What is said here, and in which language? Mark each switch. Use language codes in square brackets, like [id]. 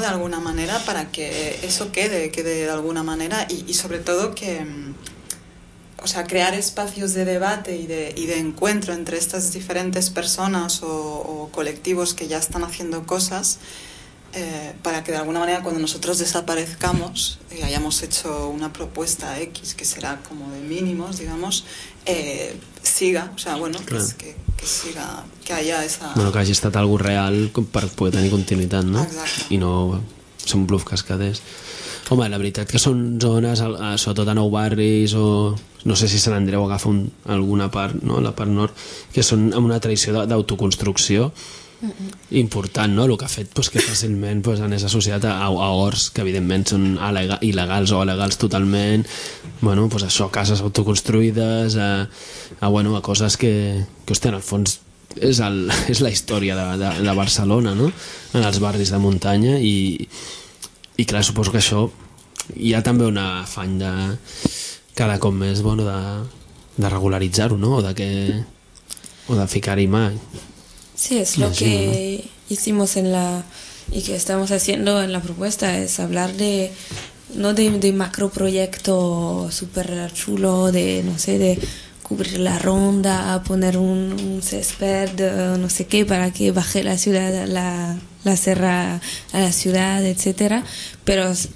[es] De alguna manera, para que eso quede de alguna manera, y sobre todo que, o sea, crear espacios de debate y de encuentro entre estas diferentes personas o colectivos que ya están haciendo cosas, para que de alguna manera, cuando nosotros desaparezcamos y hayamos hecho una propuesta X, que será como de mínimos, digamos, siga, o sea, bueno, claro, que siga, que haya esa... [ca] Bueno, que hagi estat algo real per poder tenir continuïtat, no? Exacte. I no som bluff cascades. Home, la veritat que són zones, sobretot a Nou Barris, o no sé si Sant Andreu agafa alguna part, no?, la part nord, que són amb una tradició d'autoconstrucció important, no?, el que ha fet, pues, que fàcilment, pues, anés associat a horts, que evidentment són il·legals o legals totalment, bueno, pues això, cases autoconstruïdes, bueno, a coses que hostia, en el fons és la història de Barcelona, no?, en els barris de muntanya, i clar, suposo que això, hi ha també un afany de cada cop més, bueno, de regularitzar-ho, no?, o de ficar-hi mà. [es] Sí, es lo que hicimos en la, y que estamos haciendo en la propuesta, es hablar de, no de macro proyecto súper chulo, de, no sé, de cubrir la ronda, poner un césped, no sé qué, para que baje la ciudad, la sierra a la ciudad, etcétera, pero